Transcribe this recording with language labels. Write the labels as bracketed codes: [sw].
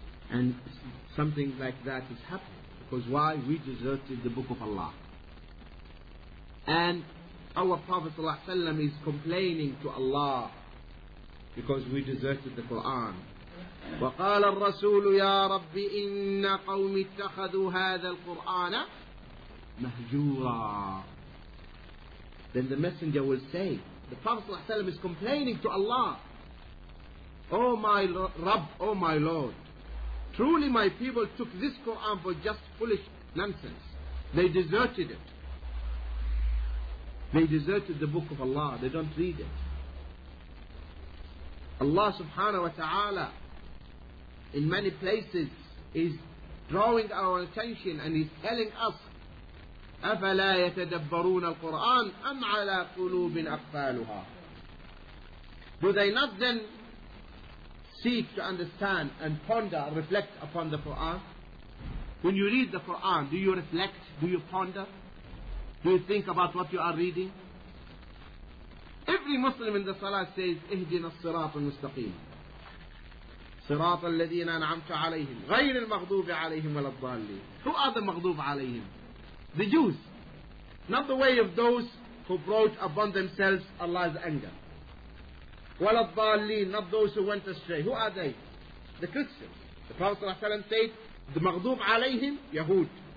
[en] And something like that is happening. Because why? We deserted the Book of Allah. And our Prophet ﷺ is complaining to Allah because we deserted the Quran. [ar] وقال الرسول يا ربي إن قومي اتخذوا هذا القرآن مهجورا. [en] Then the messenger will say, the Prophet ﷺ is complaining to Allah. Oh my Rabb, oh my Lord, truly my people took this Quran for just foolish nonsense. They deserted it. They deserted the Book of Allah. They don't read it. Allah subhanahu wa ta'ala in many places is drawing our attention and is telling us, [ar] أَفَلَا يَتَدَبَّرُونَ الْقُرْآنَ أَمْ عَلَىٰ قُلُوبٍ أَقْفَالُهَا. [en] Do they not then seek to understand and ponder and reflect upon the Quran? When you read the Quran, do you reflect? Do you ponder? Do you think about what you are reading? Every Muslim in the Salah says, [ar] اهدنا الصراط المستقيم صراط الذين أنعمت عليهم غير المغضوب عليهم ولا الضالين. [en] Who are the [ar] مغضوب عليهم? [en] The Jews. Not the way of those who brought upon themselves Allah's anger. [ar] ولا الضالين. [en] Not those who went astray. Who are they? The Christians. The Prophet ﷺ said, the [ar] مغضوب عليهم يهود.